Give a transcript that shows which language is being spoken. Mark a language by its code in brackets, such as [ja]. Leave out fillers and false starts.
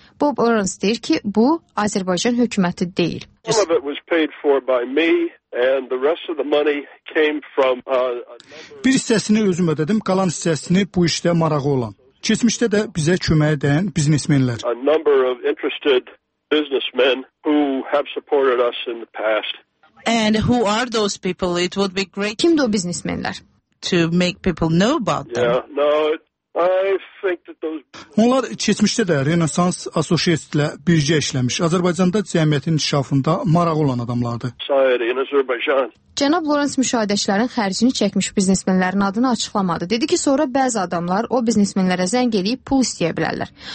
[az] Bob Lawrence deyir ki, bu Azərbaycan hökuməti deyil. Bir hissəsini özüm ödədim, qalan hissəsini bu işdə marağı olan. Keçmişdə də bizə kömək edən biznesmenlər. [en] And who are those people? It would be great. [az] Kimdir o biznesmenlər? [en] To make people know about them. [az] Onlar keçmişdə də Renaissance Associates ilə birgə işləmiş, Azərbaycanda cəmiyyətin inkişafında maraq olan adamlardır. Cənab Lawrence müşahidəçilərin xərcini çəkmiş biznesmenlərin adını açıqlamadı. Dedi ki, sonra bəzi adamlar o biznesmenlərə zəng edib pul istəyə bilərlər.